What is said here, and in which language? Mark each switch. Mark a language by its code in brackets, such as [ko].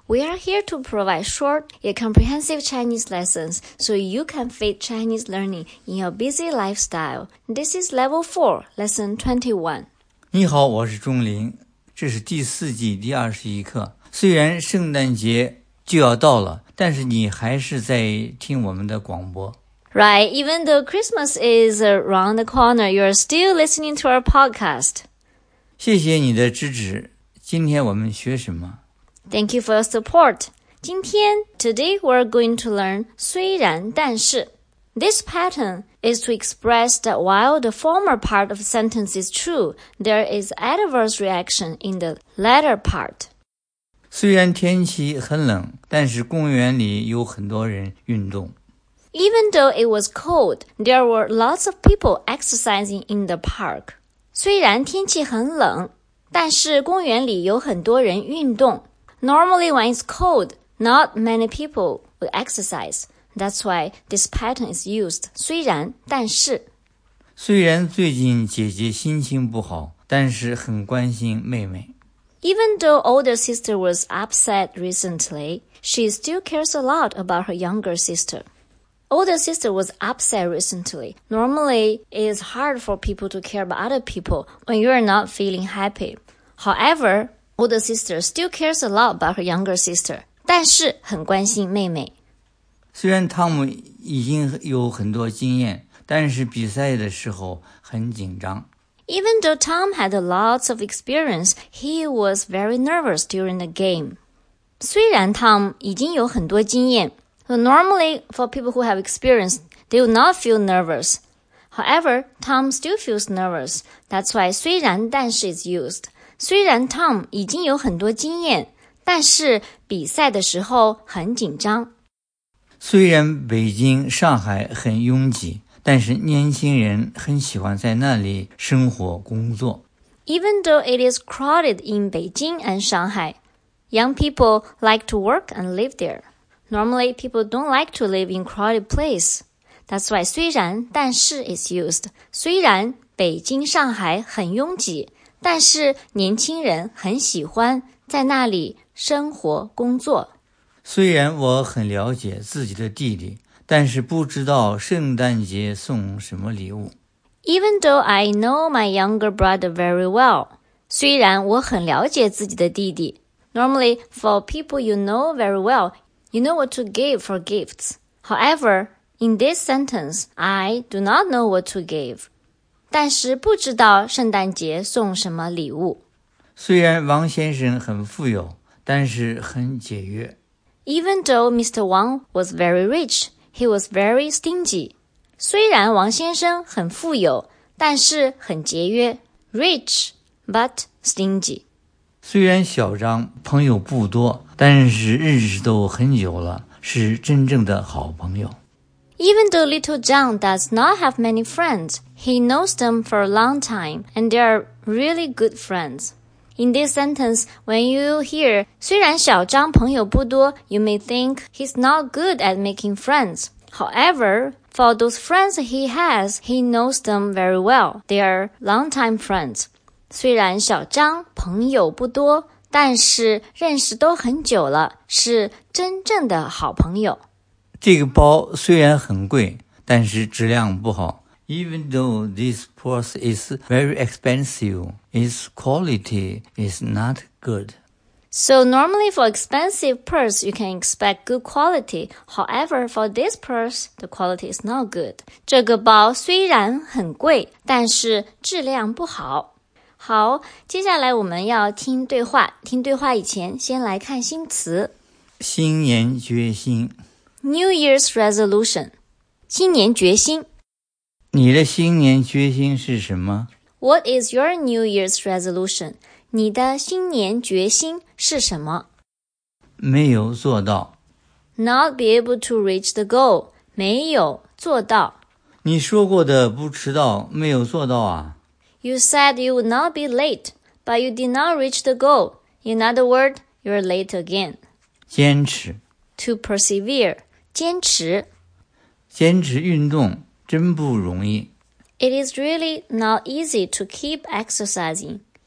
[en] We are here to provide short yet comprehensive Chinese lessons so you can fit Chinese learning in your busy lifestyle. This is Level 4, Lesson 21. [zh] 你好，我是钟林，这是第四季第二十一课。虽然圣诞节就要到了，但是你还是在听我们的广播。 [en] Right, even though Christmas is around the corner, you're still listening to our podcast. [zh] 谢谢你的支持。今天我们学什么? [en] Thank you for your support. [zh] 今天, [en] today we're going to learn [zh] 虽然但是. [en] This pattern is to express that while the former part of a sentence is true, there is adverse reaction in the latter part. [zh] 虽然天气很冷,但是公园里有很多人运动。 [en] Even though it was cold, there were lots of people exercising in the park. [zh] 虽然天气很冷,但是公园里有很多人运动。 [en] Normally when it's cold, not many people will exercise. That's why this pattern is used, [zh] 虽然,但是。虽然最近姐姐心情不好,但是很关心妹妹。 [en] Even though older sister was upset recently, she still cares a lot about her younger sister. Older sister was upset recently. Normally, it is hard for people to care about other people when you are not feeling happy. However, older sister still cares a lot about her younger sister. [zh] 但是很关心妹妹。虽然汤姆已经有很多经验，但是比赛的时候很紧张。 [en] Even though Tom had lots of experience, he was very nervous during the game. [zh] 虽然汤姆已经有很多经验。 [en] So normally, for people who have experience, they will not feel nervous. However, Tom still feels nervous. That's why [zh] 虽然但是 [en] is used. [zh] 虽然 Tom 已经有很多经验,但是比赛的时候很紧张。虽然北京、上海很拥挤,但是年轻人很喜欢在那里生活工作。 [en] Even though it is crowded in Beijing and Shanghai, young people like to work and live there. Normally, people don't like to live in crowded places. That's why [zh] 虽然但是 [en] is used. [zh] 虽然北京、上海很拥挤,但是年轻人很喜欢在那里生活、工作。虽然我很了解自己的弟弟,但是不知道圣诞节送什么礼物。 [en] Even though I know my younger brother very well, [zh] 虽然我很了解自己的弟弟。 [en] Normally, for people you know very well,You know what to give for gifts. However, in this sentence, I do not know what to give. [zh] 但是不知道圣诞节送什么礼物。虽然王先生很富有,但是很节约。 [en] Even though Mr. Wang was very rich, he was very stingy. [zh] 虽然王先生很富有,但是很节约。 [en] Rich, but stingy. [zh] 虽然小张朋友不多,但是认识都很久了,是真正的好朋友。 [en] Even though little John does not have many friends, he knows them for a long time, and they are really good friends. In this sentence, when you hear, [zh] 虽然小张朋友不多, [en] you may think he's not good at making friends. However, for those friends he has, he knows them very well. They are long-time friends. [zh] 虽然小张朋友不多,但是认识都很久了,是真正的好朋友。这个包虽然很贵,但是质量不好。 [en] Even though this purse is very expensive, its quality is not good. So normally for expensive purse, you can expect good quality. However, for this purse, the quality is not good. [zh] 这个包虽然很贵,但是质量不好。好,接下来我们要听对话。听对话以前,先来看新词。新年决心。 [en] New Year's Resolution。 [zh] 新年决心。你的新年决心是什么? [en] What is your New Year's Resolution? [zh] 你的新年决心是什么? 没有做到。 [en] Not be able to reach the goal. [zh] 没有做到。你说过的不迟到,没有做到啊。 [en] You said you would not be late, but you did not reach the goal. In other words, you're late again. [zh] 坚持。 [en] To persevere. [zh] 坚持。坚持运动真不容易。 [en] It is really not easy to keep exercising.